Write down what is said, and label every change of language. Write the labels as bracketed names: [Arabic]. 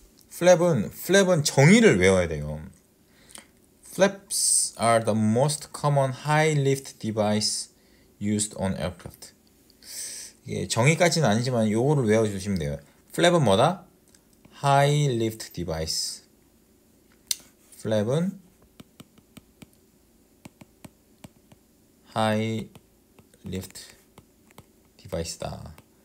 [Korean] 플랩은 정의를 외워야 돼요. [English] Flaps are the most common high lift device used on aircraft. [Korean] 이게 정의까지는 아니지만 요거를 외워주시면 돼요. 플랩은 뭐다? High lift device. 플랩은 하이 리프트 디바이스다.